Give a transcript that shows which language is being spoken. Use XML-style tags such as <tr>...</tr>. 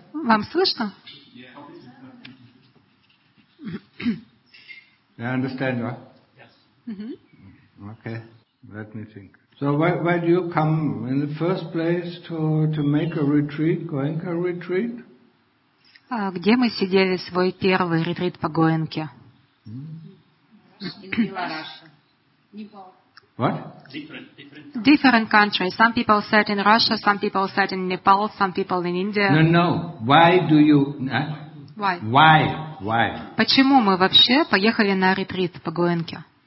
<ru>Вам слышно?</ru> <en>They understand, right? Yes. Mm-hmm. Okay, let me think. So why do you come in the first place to make a retreat, Goenka retreat?</en> <ru>Где мы сидели свой первый ретрит по Гоенке?</ru> <en>What? Different countries. Some people sat in Russia, some people sat in Nepal, some people in India. No. Why do you... Why?</en> <ru>Почему мы вообще поехали на ретрит по Гоенке?</ru>